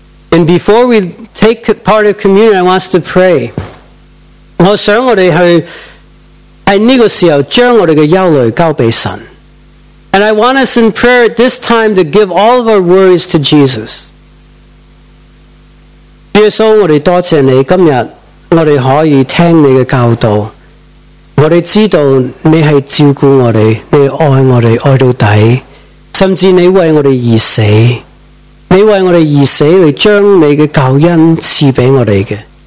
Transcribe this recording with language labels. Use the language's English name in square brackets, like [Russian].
[English] And before we take part of communion, I want us to pray. [Chinese] 我想我们去在这个时候将我们的忧虑交给神。 [English] And I want us in prayer at this time to give all of our worries to Jesus. [Chinese] 耶稣，我们多谢你，今天我们可以听你的教导。我们知道你是照顾我们，你爱我们爱到底，甚至你为我们而死。你为我们而死，你将你的救恩赐给我们的。